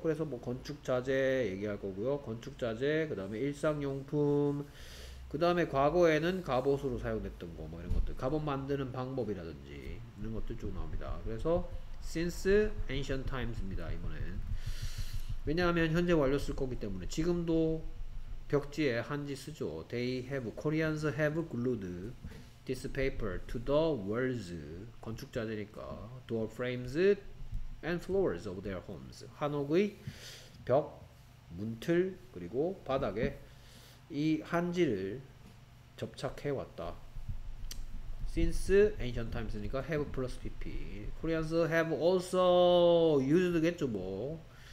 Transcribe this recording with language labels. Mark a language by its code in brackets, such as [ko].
[ko] 그래서 뭐 건축 자재 얘기할 거고요. 건축 자재, 그다음에 일상용품, 그다음에 과거에는 갑옷으로 사용됐던 거뭐 이런 것들, 갑옷 만드는 방법이라든지 이런 것들 쭉 나옵니다. 그래서 [en] since ancient times [ko] 입니다, 이번엔. 왜냐하면 현재 완료 쓸 거기 때문에 지금도 벽지에 한지 쓰죠. [en] They have, Koreans have glued this paper to the walls, [ko] 건축 자재니까, [en] door frames and floors of their homes. [ko] 한옥의 벽, 문틀, 그리고 바닥에 이 한지를 접착해왔다. [en] Since ancient times니까 have plus pp. Koreans have also used겠죠, 뭐.